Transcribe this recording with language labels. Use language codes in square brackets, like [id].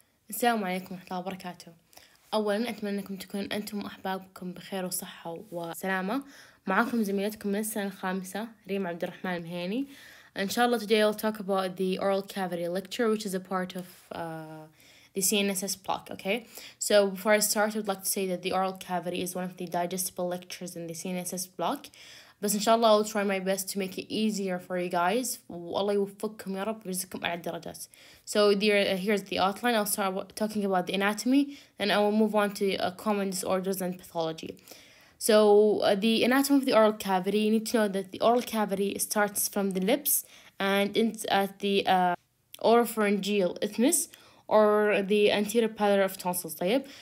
[ar] السلام عليكم ورحمة الله وبركاته. أولاً أتمنى أنكم تكونوا أنتم وأحبابكم بخير وصحة وسلامة. معكم زميلتكم من السنة الخامسة ريم عبد الرحمن المهيني. إن شاء الله [en] today we'll talk about the oral cavity lecture, which is a part of the CNSS block. Okay. So before I start, I'd like to say that the oral cavity is one of the digestible lectures in the CNSS block. [ar] بس إن شاء الله [en] I'll try my best to make it easier for you guys. [ar] والله يوفقكم يا رب ويرزقكم أعلى الدرجات. [en] So here's the outline. I'll start talking about the anatomy, and I will move on to common disorders and pathology. So the anatomy of the oral cavity. You need to know that the oral cavity starts from the lips and ends at the oropharyngeal isthmus, or the anterior pallor of tonsils. طيب.